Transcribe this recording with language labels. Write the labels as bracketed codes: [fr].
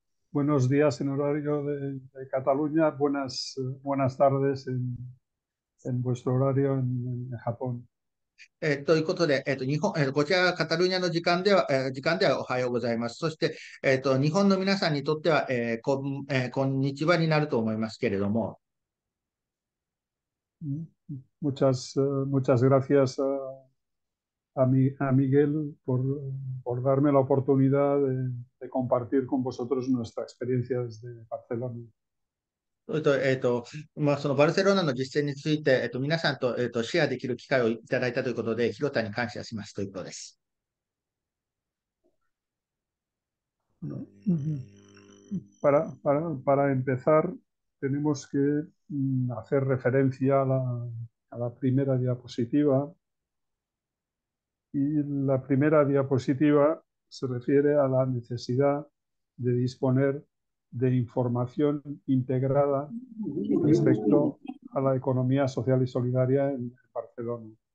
[es] Buenos días en horario de Cataluña, buenas tardes en vuestro horario en Japón. [ja] ということで、日本、こちらカタルーニャの時間ではおはようございます。そして、日本の皆さんにとっては、こんにちはになると思いますけれども。 [es] Muchas gracias a Miguel por darme la oportunidad de compartir con vosotros nuestra experiencia desde Barcelona. [ja] そのバルセロナの実践について、皆さんと、シェアできる機会をいただいたということで、広田に感謝しますということです。 [es] Para empezar, tenemos que hacer referencia a la primera diapositiva. Y la primera diapositiva se refiere a la necesidad de disponer de información integrada respecto a la economía social y solidaria en Barcelona.